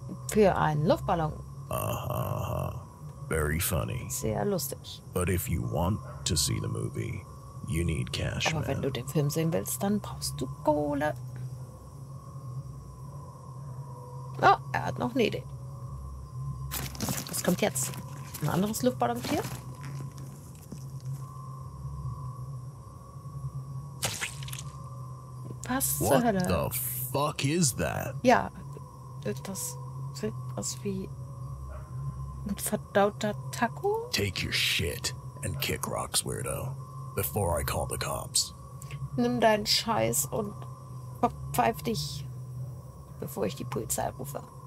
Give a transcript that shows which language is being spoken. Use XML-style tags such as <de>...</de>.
<de>Für einen Luftballon.</de> <en>Aha. Very funny.</en> <de>Sehr lustig.</de> <en>But if you want to see the movie, you need cash.</en> <de>Aber wenn du den Film sehen willst, dann brauchst du Kohle. Noch eine Idee. Was kommt jetzt? Ein anderes Luftballontier? Was zur</de> <en>What</en> <de>Hölle?</de> <en>The fuck is that?</en> <de>Ja, das sieht aus wie ein verdauter Taco.</de> <en>Take your shit and kick rocks, weirdo, before I call the cops.</en> <de>Nimm deinen Scheiß und verpfeif dich, bevor ich die Polizei rufe.</de>